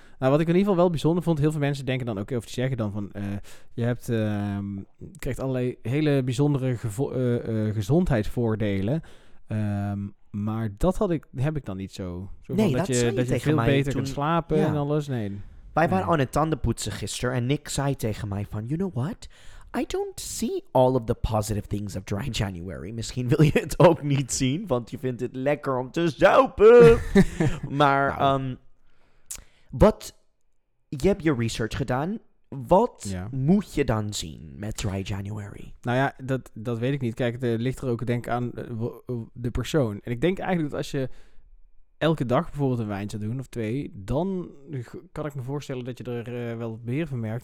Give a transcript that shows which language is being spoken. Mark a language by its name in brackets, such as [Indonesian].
[Dutch] Nou, wat ik in ieder geval wel bijzonder vond, heel veel mensen denken dan ook, of zeggen dan van, je hebt, krijgt allerlei hele bijzondere gezondheidsvoordelen. Maar dat heb ik dan niet zo. Nee, dat zei je tegen mij. Dat je veel beter kunt slapen en alles. Nee. Wij waren aan het tandenpoetsen gisteren en Nick zei tegen mij van, [English] you know what? I don't see all of the positive things of dry January. [Dutch] Misschien wil je het ook niet zien, want je vindt het lekker om te zuipen. Maar, wat, je hebt je research gedaan. Wat moet je dan zien met dry January? Nou ja, dat weet ik niet. Kijk, het ligt er ook, denk aan de persoon. En ik denk eigenlijk dat als je elke dag bijvoorbeeld een wijntje doen of twee, dan kan ik me voorstellen dat je er wel beheer van merkt.